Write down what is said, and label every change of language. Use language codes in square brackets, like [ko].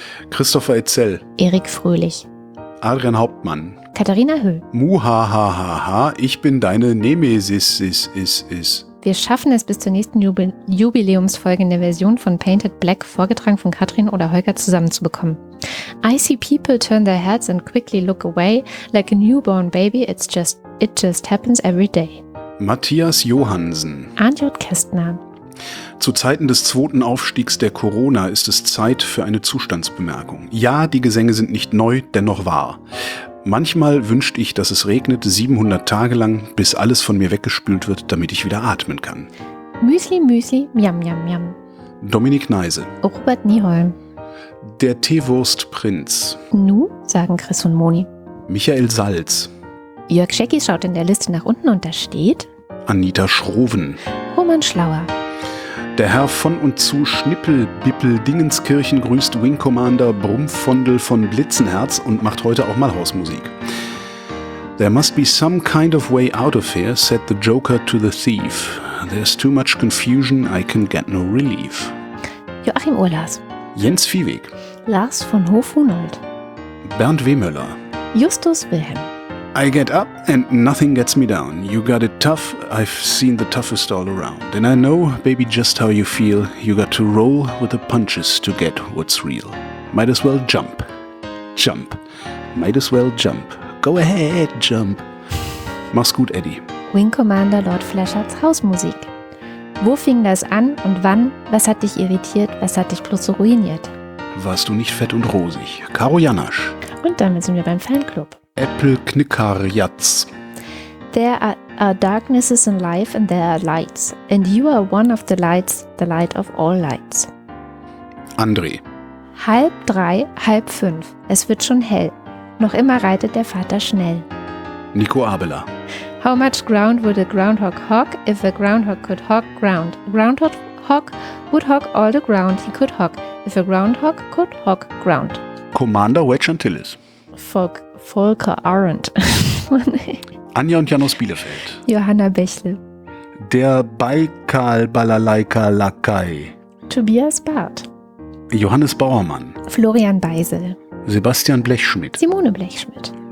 [de] Christopher Etzel. Erik Fröhlich. Adrian Hauptmann. Katharina Höh. Muhahaha, ich bin deine Nemesis, is. Wir schaffen es bis zur nächsten Jubiläumsfolge in der Version von Painted Black, vorgetragen von Katrin oder Holger, zusammenzubekommen. [en] I see people turn their heads and quickly look away, like a newborn baby, it just happens every day. [de] Matthias Johansen. Arnjot Kästner. Zu Zeiten des zweiten Aufstiegs der Corona ist es Zeit für eine Zustandsbemerkung. Ja, die Gesänge sind nicht neu, dennoch wahr. Manchmal wünscht ich, dass es regnet 700 Tage lang, bis alles von mir weggespült wird, damit ich wieder atmen kann. Müsli, Müsli, miam, miam, miam. Dominik Neise. Robert Nieholm. Der Teewurstprinz. Nu, sagen Chris und Moni. Michael Salz. Jörg Schecki schaut in der Liste nach unten und da steht... Anita Schroven. Roman Schlauer. Der Herr von und zu Schnippel Bippel Dingenskirchen grüßt Wing Commander Brumfondel von Blitzenherz und macht heute auch mal Hausmusik. [en] There must be some kind of way out of here, said the Joker to the thief. There's too much confusion, I can get no relief. [de] Joachim Urlas. Jens Viehweg. Lars von Hofhunold. Bernd Wehmöller. Justus Wilhelm. [en] I get up and nothing gets me down. You got it tough, I've seen the toughest all around. And I know, baby, just how you feel. You got to roll with the punches to get what's real. Might as well jump. Jump. Might as well jump. Go ahead, jump. [de] Mach's gut, Eddie. Wing Commander Lord Fleschards Hausmusik. Wo fing das an und wann? Was hat dich irritiert? Was hat dich bloß so ruiniert? Warst du nicht fett und rosig? Caro Janasch. Und damit sind wir beim Fanclub. Apple Knicker Jatz. [en] There are darknesses in life and there are lights. And you are one of the light of all lights. [de] André. 3:30, 4:30. Es wird schon hell. Noch immer reitet der Vater schnell. Nico Abela. [en] How much ground would a groundhog hog if a groundhog could hog ground? A groundhog hog would hog all the ground he could hog if a groundhog could hog ground. [de] Commander Wedge Antilles. Volker Arendt. Anja und Janos Bielefeld. Johanna Bechle. Der Baikal Balalaika Lakai. Tobias Barth. Johannes Bauermann. Florian Beisel. Sebastian Blechschmidt. Simone Blechschmidt.